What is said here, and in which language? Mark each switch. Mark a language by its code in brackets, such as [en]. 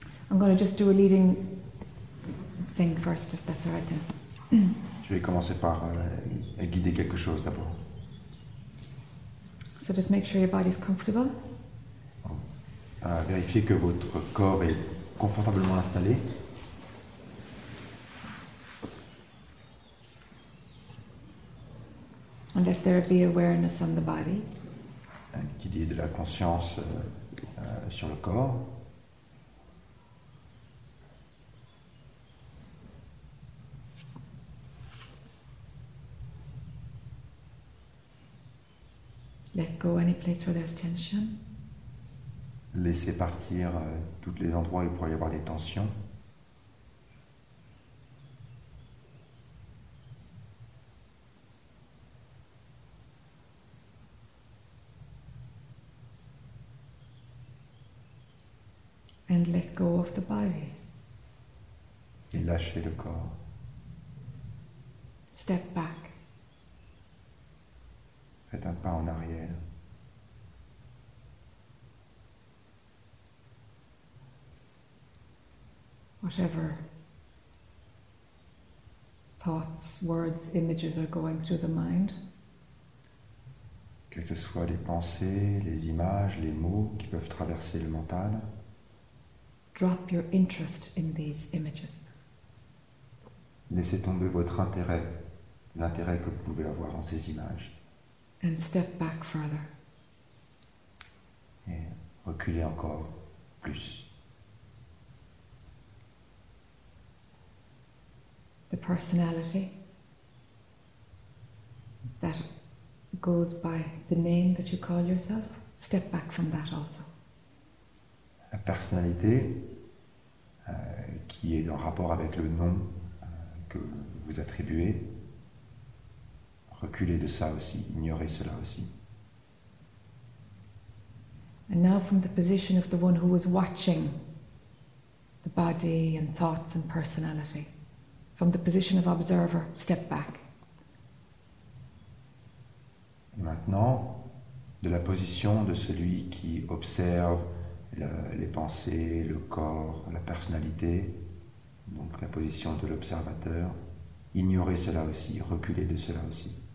[en] I'm going to just do a leading thing first, if that's all right. [fr] Je vais commencer par guider quelque chose d'abord. [en] So just make sure your body's comfortable. [fr] Vérifiez que votre corps est confortablement installé. [en] And let there be awareness on the body. [fr] Qu'il y ait de la conscience sur le corps. [en] Let go any place where there's tension. [fr] Laissez partir tous les endroits où il pourrait y avoir des tensions. [en] And let go of the body. [fr] Et lâchez le corps. [en] Step back. [fr] Faites un pas en arrière. [en] Whatever thoughts, words, images are going through the mind. [fr] Quelles que soient les pensées, les images, les mots qui peuvent traverser le mental. [en] Drop your interest in these images. [fr] Laissez tomber votre intérêt, l'intérêt que vous pouvez avoir en ces images. [en] And step back further. [fr] Et reculez encore plus. [en] The personality that goes by the name that you call yourself, step back from that also. [fr] La personnalité qui est en rapport avec le nom que vous attribuez, reculez de ça aussi, ignorez cela aussi. [en] And now from the position of the one who was watching the body and thoughts and personality, from the position of observer, step back. [fr] Et maintenant, de la position de celui qui observe les pensées, le corps, la personnalité, donc la position de l'observateur, ignorez cela aussi, reculez de cela aussi.